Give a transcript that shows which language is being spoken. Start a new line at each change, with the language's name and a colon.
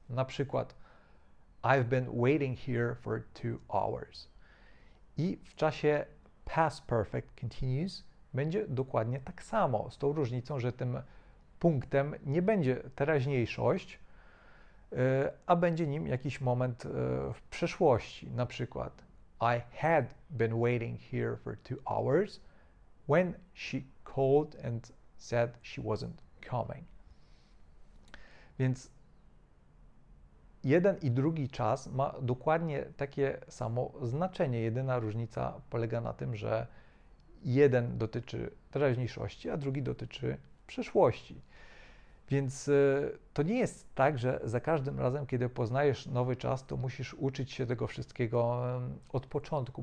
Polish: Na przykład,
English: I've been waiting here for 2 hours.
Polish: I w czasie past perfect continuous będzie dokładnie tak samo, z tą różnicą, że tym punktem nie będzie teraźniejszość, a będzie nim jakiś moment w przeszłości. Na przykład,
English: I had been waiting here for 2 hours when she called and said she wasn't coming.
Polish: Więc jeden i drugi czas ma dokładnie takie samo znaczenie. Jedyna różnica polega na tym, że jeden dotyczy teraźniejszości, a drugi dotyczy przeszłości. Więc to nie jest tak, że za każdym razem, kiedy poznajesz nowy czas, to musisz uczyć się tego wszystkiego od początku.